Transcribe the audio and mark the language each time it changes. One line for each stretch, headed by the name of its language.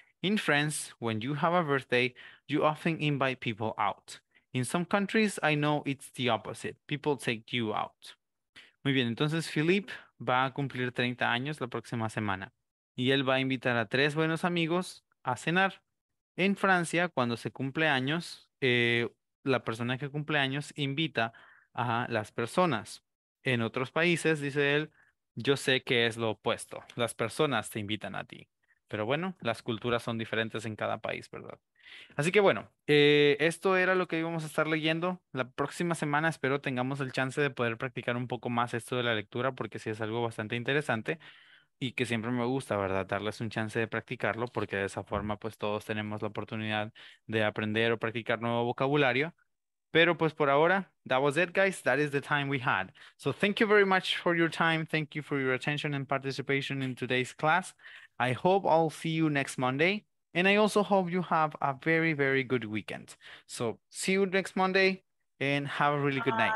English: In France, when you have a birthday, you often invite people out. In some countries, I know it's the opposite. People take you out.
Spanish: Muy bien, entonces Philippe va a cumplir 30 años la próxima semana. Y él va a invitar a 3 buenos amigos a cenar. En Francia, cuando se cumple años, la persona que cumple años invita a las personas. En otros países, dice él, yo sé que es lo opuesto. Las personas te invitan a ti. Pero bueno, las culturas son diferentes en cada país, ¿verdad? Así que bueno, esto era lo que íbamos a estar leyendo. La próxima semana espero tengamos el chance de poder practicar un poco más esto de la lectura, porque sí es algo bastante interesante y que siempre me gusta, ¿verdad? Darles un chance de practicarlo, porque de esa forma pues todos tenemos la oportunidad de aprender o practicar nuevo vocabulario. Pero pues por ahora,
English: that was it, guys. That is the time we had. So thank you very much for your time. Thank you for your attention and participation in today's class. I hope I'll see you next Monday. And I also hope you have a very, very good weekend. So see you next Monday and have a really good night.